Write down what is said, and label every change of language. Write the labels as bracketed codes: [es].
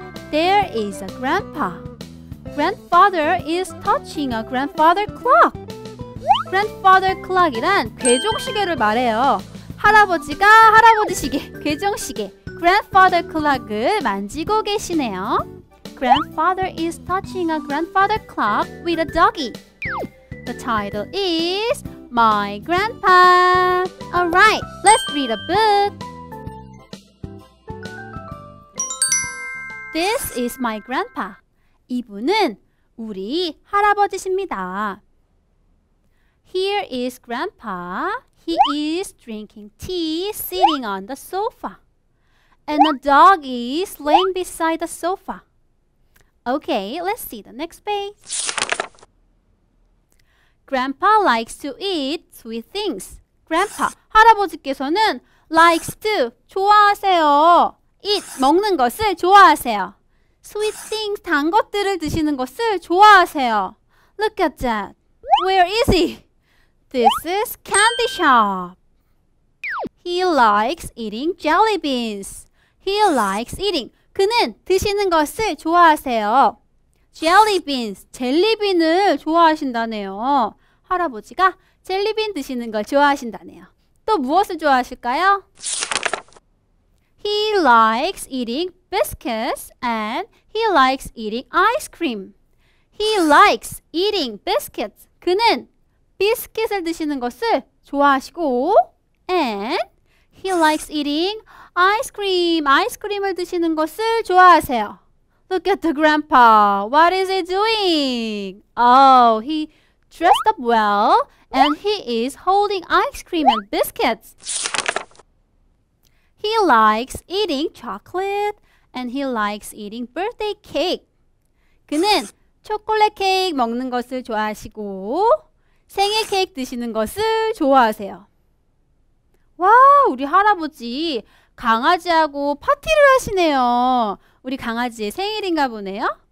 [en] There is a grandpa. Grandfather is touching a grandfather clock. [ko] Grandfather clock이란 괴종 시계를 말해요. 할아버지가 할아버지 시계, 괴종 시계. Grandfather clock을 만지고 계시네요. [en] Grandfather is touching a grandfather clock with a doggy. The title is My Grandpa. Alright, let's read a book. This is my grandpa. [ko] 이분은 우리 할아버지십니다. [en] Here is grandpa. He is drinking tea sitting on the sofa. And a dog is laying beside the sofa. Okay, let's see the next page. Grandpa likes to eat sweet things. Grandpa, [ko] 할아버지께서는 [en] likes to, [ko] 좋아하세요. [en] Eat, [ko] 먹는 것을 좋아하세요. [en] Sweet things, [ko] 단 것들을 드시는 것을 좋아하세요. [en] Look at that. Where is he? This is candy shop. He likes eating jelly beans. He likes eating. [ko] 그는 드시는 것을 좋아하세요. [en] Jelly beans. [ko] 젤리빈을 좋아하신다네요. 할아버지가 젤리빈 드시는 걸 좋아하신다네요. 또 무엇을 좋아하실까요? [en] He likes eating biscuits and he likes eating ice cream. He likes eating biscuits. [ko] 그는 비스킷을 드시는 것을 좋아하시고 [en] and he likes eating ice cream. [ko] 아이스크림을 드시는 것을 좋아하세요. [en] Look at the grandpa. What is he doing? Oh, he dressed up well and he is holding ice cream and biscuits. He likes eating chocolate and he likes eating birthday cake. [ko] 그는 초콜릿 케이크 먹는 것을 좋아하시고 생일 케이크 드시는 것을 좋아하세요. 와, 우리 할아버지 강아지하고 파티를 하시네요. 우리 강아지의 생일인가 보네요.